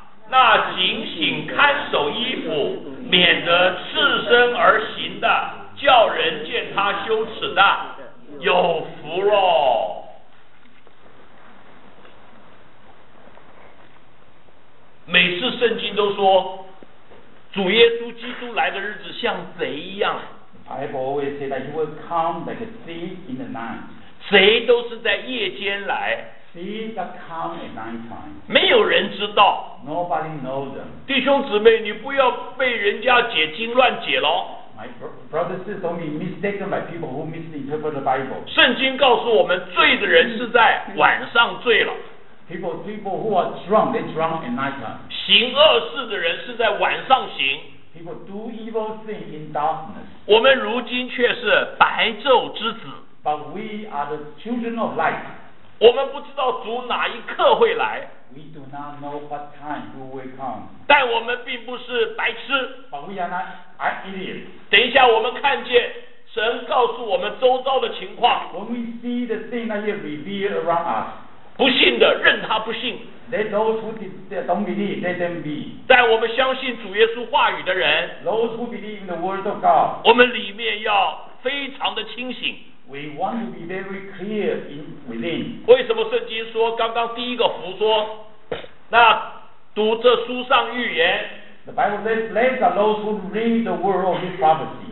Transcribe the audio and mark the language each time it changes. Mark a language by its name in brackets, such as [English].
[Chinese] 那警醒看守衣服，免得赤身而行的，叫人见他羞耻的，有福喽。每次圣经都说，主耶稣基督来的日子像贼一样。 [English] Bible always say that he will come like a thief in the night. [Chinese] 贼都是在夜间来。 [English] Thieves are come at night time. [Chinese] 没有人知道。 [English] Nobody knows them. [Chinese] 弟兄姊妹，你不要被人家解经乱解喽。 [English] My brothers and sisters, don't be mistaken by people who misinterpret the Bible. [Chinese] 圣经告诉我们，罪的人是在晚上醉了。 [English] People who are drunk, they drunk at night time. [Chinese] 行恶事的人是在晚上行。 [English] People do evil things in darkness. [Chinese] 我们如今却是白昼之子。 [English] But we are the children of light. [Chinese] 我们不知道主哪一刻会来。 [English] We do not know what time who will come. [Chinese] 但我们并不是白痴。 [English] But we are not idiots. [Chinese] 等一下我们看见神告诉我们周遭的情况。 [English] When we see the things that are revealed around us. [Chinese] 不信的任他不信。 [English] They those who don't believe, let them be. [Chinese] 在我们相信主耶稣话语的人。 [English] Those who believe in the word of God. [Chinese] 我们里面要非常的清醒。 [English] We want to be very clear in within. [Chinese] 为什么圣经说刚刚第一个福说，那读这书上预言。 [English] The Bible says, blessed are those who read the word of this prophecy.